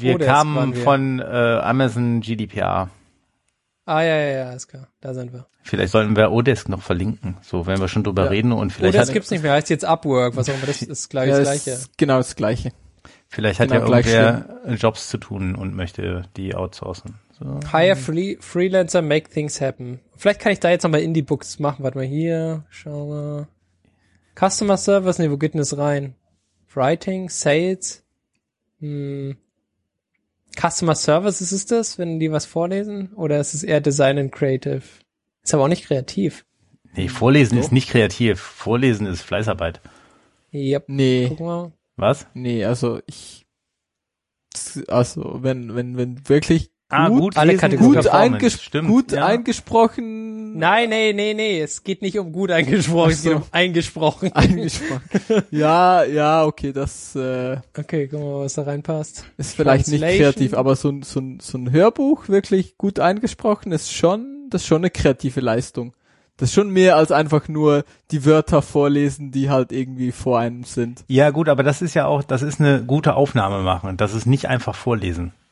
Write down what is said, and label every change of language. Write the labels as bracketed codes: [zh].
[de] Wir kamen von Amazon GDPR. Ah, ja, ja, ja, ist klar. Da sind wir. Vielleicht sollten wir Odesk noch verlinken. So, wenn wir schon drüber reden und vielleicht. Odesk gibt's nicht mehr. Heißt jetzt Upwork. Was auch immer. Das ist gleich das Gleiche. Genau das Gleiche. Vielleicht hat ja irgendwer Jobs zu tun und möchte die outsourcen. So. [en] Hire Freelancer, make things happen. [de] Vielleicht kann ich da jetzt nochmal Indie-Books machen. Warte mal hier. Schau mal. Customer Service. Nee, wo geht denn das rein? [en] Writing, Sales. [de] Customer Service, ist es das, wenn die was vorlesen? Oder ist es eher Design and Creative? Ist aber auch nicht kreativ. Nee, vorlesen ist nicht kreativ. Vorlesen ist Fleißarbeit. Yep. Nee. Gucken wir. Was? Nee, also ich. Also, wenn wirklich gut, alle lesen, gut, eingesprochen. Nein, nee. Es geht nicht um gut eingesprochen, es geht um eingesprochen. Eingesprochen. Ja, ja, okay, das. Okay, guck mal, was da reinpasst. Ist vielleicht nicht kreativ, aber so ein Hörbuch wirklich gut eingesprochen ist schon, das ist schon eine kreative Leistung. Das ist schon mehr als einfach nur die Wörter vorlesen, die halt irgendwie vor einem sind. Ja, gut, aber das ist ja auch, das ist eine gute Aufnahme machen. Das ist nicht einfach vorlesen.